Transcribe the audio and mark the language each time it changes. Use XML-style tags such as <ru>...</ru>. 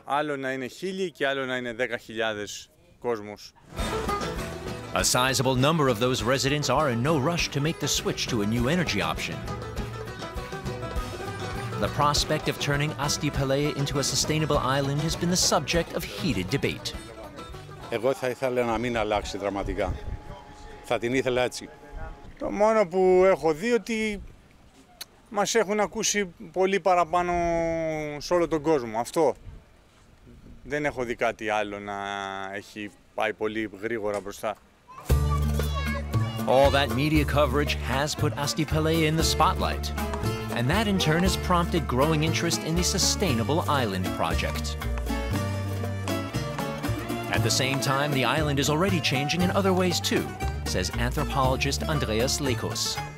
<el>Άλλο να είναι 1,000 και άλλο να είναι 10,000 κόσμος.</el> <en>A sizable number of those residents are in no rush to make the switch to a new energy option. The prospect of turning Astypalea into a sustainable island has been the subject of heated debate.</en> <el>Εγώ θα ήθελα να μην αλλάξει δραματικά. Θα την ήθελα έτσι. Το μόνο που έχω δει ότι μας έχουν ακούσει πολύ παραπάνω σε όλο τον κόσμο. Αυτό. Δεν έχω δει κάτι άλλο να έχει πάει πολύ γρήγορα μπροστά.</el> <en>All that media coverage has put Astypalea in the spotlight, and that in turn has prompted growing interest in the sustainable island project. At the same time, the island is already changing in other ways too, says anthropologist Andreas Lekos.</en>